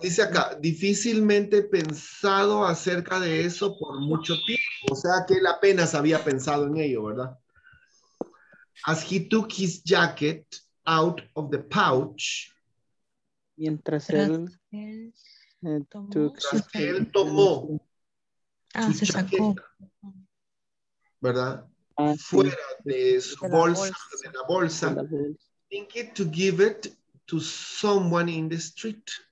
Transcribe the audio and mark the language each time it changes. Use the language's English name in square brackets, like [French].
[Spanish] dice acá, difícilmente pensado acerca de eso por mucho tiempo. O sea que él apenas había pensado en ello, ¿verdad? [English] As he took his jacket out of the pouch. [Spanish] Mientras él tomó su jacket fuera de la bolsa. [English] Thinking to give it to someone in the street.